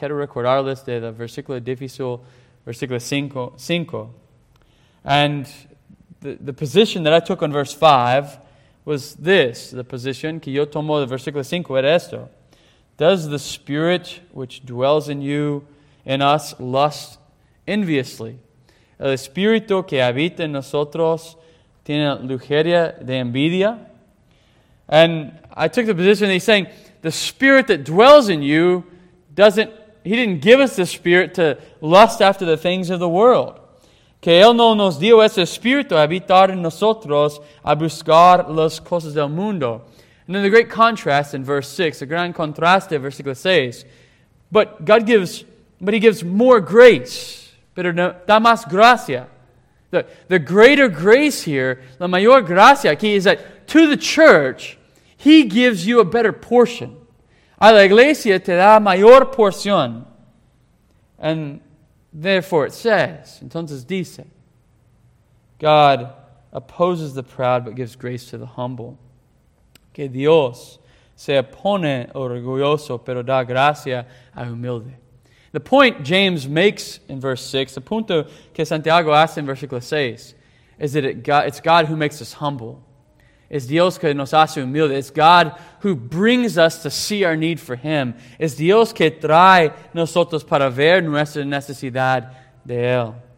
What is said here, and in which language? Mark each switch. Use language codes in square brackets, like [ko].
[es] Quiero recordarles de la versículo difícil, versículo 5. [en] And the position that I took on verse 5 was this. The position [es] que yo tomo de versículo 5 era esto. [en] Does the Spirit which dwells in you, in us, lust enviously? [es] El Espíritu que habita en nosotros tiene lujuria de envidia. [en] And I took the position that he's saying, the Spirit that dwells in you doesn't, he didn't give us the Spirit to lust after the things of the world. [es] Que él no nos dio ese Espíritu habitar en nosotros a buscar las cosas del mundo. [en] And then the great contrast in verse 6, the [es] gran contraste, versículo 6. [en] But God gives, but he gives more grace. [es] Pero da más gracia. [en] The greater grace here, [es] la mayor gracia aquí, [en] is that to the church, he gives you a better portion. [es] A la iglesia te da mayor porción. [en] And therefore it says, [es] entonces dice, [en] God opposes the proud but gives grace to the humble. [es] Que Dios se opone orgulloso, pero da gracia a humilde. [en] The point James makes in verse 6, the [es] punto que Santiago hace en versículo 6, [en] is that it's God who makes us humble. [es] Es Dios que nos hace humilde. [en] It's God who brings us to see our need for Him. [es] Es Dios que trae nosotros para ver nuestra necesidad de Él.